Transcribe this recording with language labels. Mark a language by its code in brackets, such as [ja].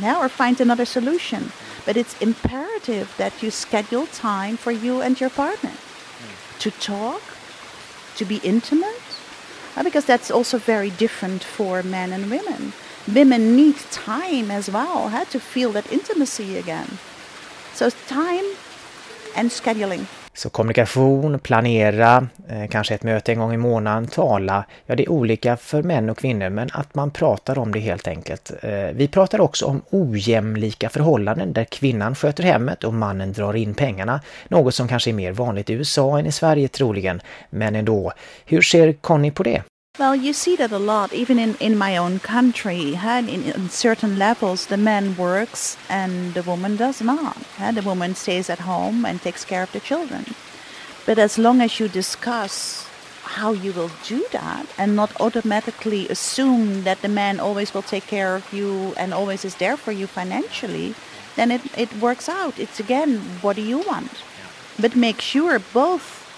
[en] Yeah, or find another solution. But it's imperative that you schedule time for you and your partner. To talk, to be intimate. Because that's also very different for men and women. Women need time as well, to feel that intimacy again. So time and scheduling. [sv] Så kommunikation, planera, kanske ett möte en gång i månaden, tala. Ja, det är olika för män och kvinnor, men att man pratar om det helt enkelt. Vi pratar också om ojämlika förhållanden där kvinnan sköter hemmet och mannen drar in pengarna. Något som kanske är mer vanligt i USA än i Sverige troligen. Men ändå, hur ser Connie på det? [en] Well, you see that a lot, even in my own country, in certain levels, the man works and the woman does not. The woman stays at home and takes care of the children. But as long as you discuss how you will do that and not automatically assume that the man always will take care of you and always is there for you financially, then it works out. It's again, what do you want? But make sure both